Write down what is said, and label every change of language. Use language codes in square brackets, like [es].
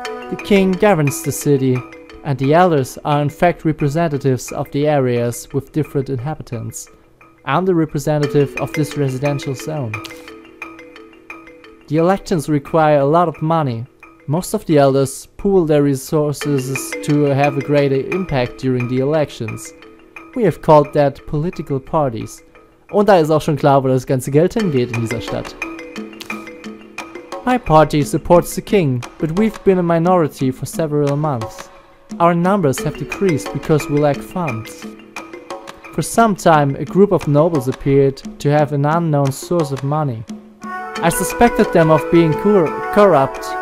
[en] The king governs the city, and the elders are in fact representatives of the areas with different inhabitants. I'm the representative of this residential zone. The elections require a lot of money. Most of the elders pool their resources to have a greater impact during the elections. We have called that political parties. [de] Und da ist auch schon klar, wo das ganze Geld hingeht in dieser Stadt. [en] My party supports the king, but we've been a minority for several months. Our numbers have decreased because we lack funds. For some time, a group of nobles appeared to have an unknown source of money. I suspected them of being corrupt.